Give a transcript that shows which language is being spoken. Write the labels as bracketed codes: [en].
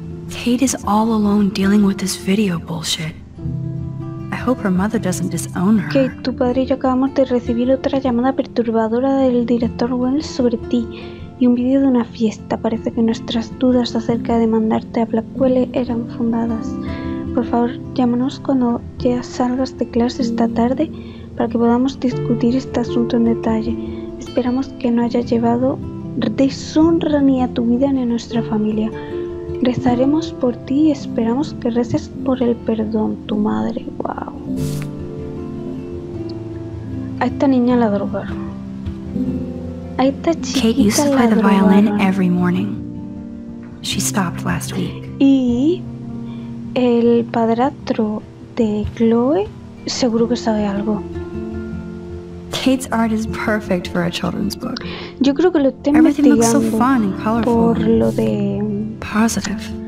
[en] Kate is all alone dealing with this video bullshit. I hope her mother doesn't disown her. [es] Kate, tu padre y yo acabamos de recibir otra llamada perturbadora del director Wells sobre ti y un video de una fiesta. Parece que nuestras dudas acerca de mandarte a Blackwell eran fundadas. Por favor, llámanos cuando ya salgas de clase esta tarde para que podamos discutir este asunto en detalle. Esperamos que no haya llevado deshonra ni a tu vida ni a nuestra familia. Rezaremos por ti y esperamos que reces por el perdón, tu madre. [en] Wow. [es] A esta niña la drogaron. A esta chiquita [en] Kate used to play the violin every morning. She stopped last week. [es] Y el padrastro de Chloe seguro que sabe algo. [en] Kate's art is perfect for a children's book. [es] Yo creo que lo está investigando. [en] Everything looks so fun and colorful. [es] Por lo de [en] positive.